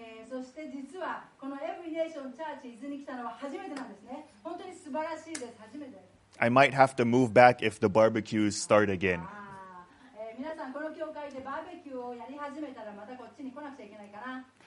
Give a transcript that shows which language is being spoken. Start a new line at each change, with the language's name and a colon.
Japanese: そして実はこのエブリネーションチャーチ伊豆に来たのは初めてなんですね。本当に素晴らしいです。初めて。
English: I might have to move back if the barbecues start again.
Japanese: 皆さんこの教会でバーベキューをやり始めたらまたこっちに来なくちゃいけないかな。